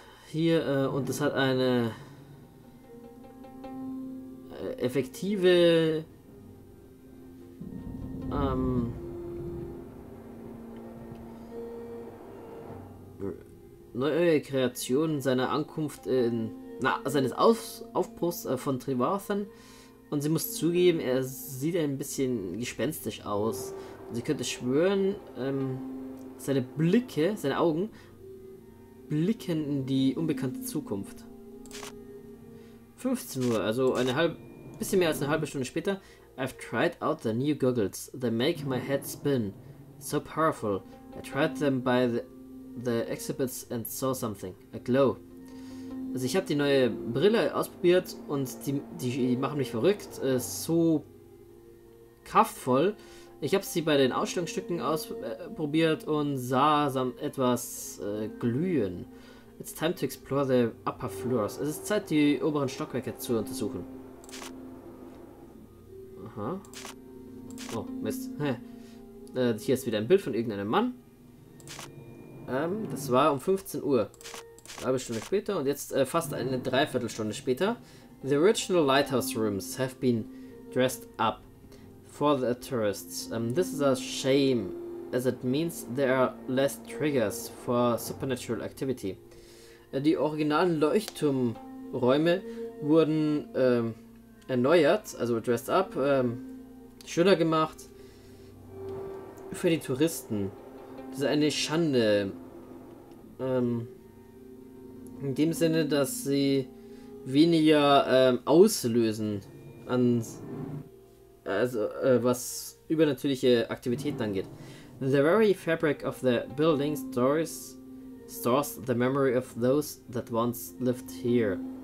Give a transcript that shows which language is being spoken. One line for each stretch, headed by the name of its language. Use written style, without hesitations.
German: Hier und das hat eine effektive neue Kreation seiner Ankunft in seines Aufbruchs von Trivathan, und sie muss zugeben, er sieht ein bisschen gespenstisch aus. Und sie könnte schwören, seine Augen blicken in die unbekannte Zukunft. 15 Uhr, also bisschen mehr als eine halbe Stunde später.
English: I've tried out the new goggles. They make my head spin. So powerful. I tried them by the exhibits and saw something. A glow.
German: Also ich habe die neue Brille ausprobiert und die machen mich verrückt. So kraftvoll. Ich habe sie bei den Ausstellungsstücken ausprobiert und sah etwas glühen.
English: It's time to explore the upper floors.
German: Es ist Zeit, die oberen Stockwerke zu untersuchen. Aha. Oh, Mist. Hier ist wieder ein Bild von irgendeinem Mann. Das war um 15 Uhr. Eine halbe Stunde später und jetzt fast eine Dreiviertelstunde später.
English: The original lighthouse rooms have been dressed up for the tourists. This is a shame, as it means there are less triggers for supernatural activity.
German: Die originalen Leuchtturmräume wurden erneuert, also dressed up, schöner gemacht für die Touristen. Das ist eine Schande. In dem Sinne, dass sie weniger auslösen an was übernatürliche Aktivitäten angeht.
English: The very fabric of the building stores the memory of those that once lived here.